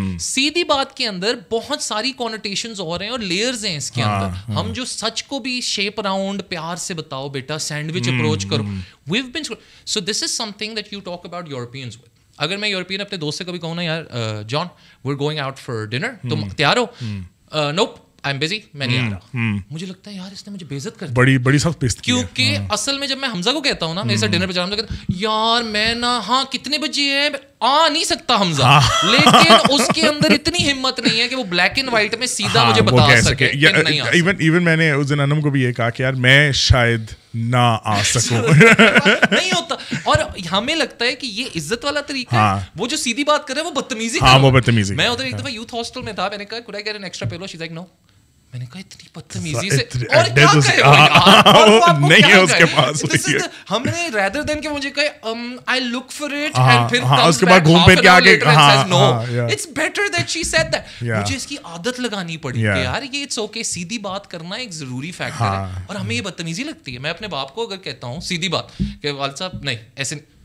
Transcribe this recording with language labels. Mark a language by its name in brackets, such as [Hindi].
[Urdu] سیدھی بات کے اندر بہت ساری کونوٹیشنز ہو رہے ہیں اور لیئرز ہیں اس کے اندر. ہم جو سچ کو بھی شیپ راؤنڈ پیار سے بتاؤ بیٹا, سینڈوچ اپروچ کرو. [English] We've been so, this is something that you talk about Europeans with. [Urdu] اگر میں یورپین اپنے دوست سے کبھی کہوں نا یار جان we're going out for dinner, تم تیار ہو؟ Nope, I'm busy, میں نہیں آ رہا. مجھے لگتا ہے یار اس نے مجھے بے عزت کر دیا, بڑی بڑی سخت بے عزتی, کیونکہ اصل میں جب میں حمزہ کو کہتا ہوں نا میرے ساتھ ڈنر پہ جانا, کہتا یار میں نا ہاں کتنے بجے ہیں, آ نہیں سکتا حمزہ, لیکن اس کے اندر اتنی ہمت نہیں ہے کہ وہ بلیک اینڈ وائٹ میں سیدھا مجھے بتا سکے. ایون میں نے اس دن انم کو بھی یہ کہا کہ یار میں شاید نہ آ سکوں, نہیں ہوتا. اور ہمیں لگتا ہے کہ یہ عزت والا طریقہ ہے, وہ جو سیدھی بات کر رہے ہیں وہ بدتمیزی. ہاں وہ بدتمیزی. میں ادھر ایک دفعہ یوتھ ہاسٹل میں تھا, میں نے کہا could I get an extra pillow, she's like no. میں نے کہا اتنی بدتمیزی سے اور کیا کہے گا, نہیں ہے اس کے پاس. ہم نے rather than کہ مجھے کہے I look for it and پھر اس کے بعد گھوم پھر کے آگے, [English] it's better that she said that. [Urdu] مجھے اس کی عادت لگانی پڑی کہ یار یہ it's okay, سیدھی بات کرنا ایک ضروری فیکٹر ہے. اور ہمیں یہ بدتمیزی لگتی ہے. میں اپنے باپ کو اگر کہتا ہوں سیدھی بات کہ والد صاحب نہیں ایسے,